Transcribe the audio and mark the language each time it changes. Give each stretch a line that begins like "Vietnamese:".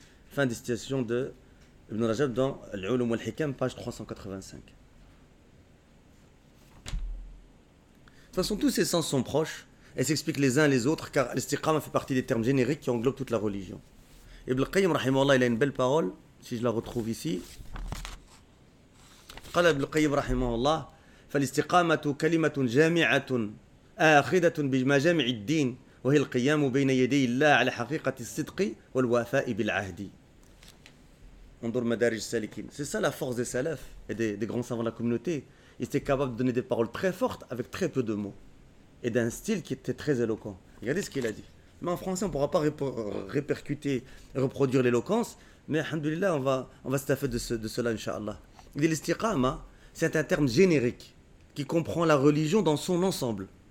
French: Fin des citations de Ibn Rajab dans Al-Ulum al-Hikam, page 385. De toute façon, tous ces sens sont proches et s'expliquent les uns les autres, car l'istiqama fait partie des termes génériques qui englobent toute la religion. Ibn Qayyim, rahimahullah, il a une belle parole, si je la retrouve ici.
Arabic: Qala Ibn Qayyim, rahimahullah, فَالِاسْتِقَامَةُ كَلِمَةٌ جَامِعَةٌ آخِذَةٌ بِمَا جَامِعِ الدِّينِ وهي القيام بين يدي الله على حقيقة الصدق والوفاء بالعهد. انظر مدارج السالكين.
French: C'est ça la force des salaf et des grands savants de la communauté. Ils étaient capables de donner des paroles très fortes avec très peu de mots et d'un style qui était très éloquent. Regardez ce qu'il a dit. Mais en français, on ne pourra pas répercuter et reproduire l'éloquence. Mais alhamdulillah, on va se taffer de cela, inshallah. Il dit l'istiqama, c'est un terme générique qui comprend la religion dans son ensemble.